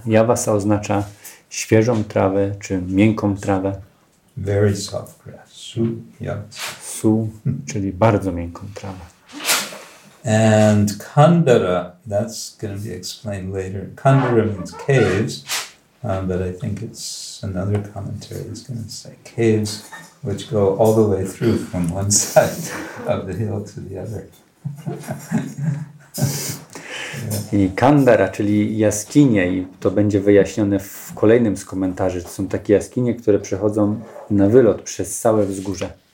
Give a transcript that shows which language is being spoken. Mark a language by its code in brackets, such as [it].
[pl] Yavasa oznacza świeżą trawę czy miękką trawę. [en] Very soft grass. Suyavasa. [pl] Su, czyli bardzo miękką trawę. [en] And Kandara, that's going to be explained later. Kandara means caves, but I think it's another commentary is going to say caves, which go all the way through from one side of the hill to the other. [pl] I Kandara, czyli jaskinie, i to będzie wyjaśnione w kolejnym z komentarzy, to są takie jaskinie, które przechodzą na wylot przez całe wzgórze.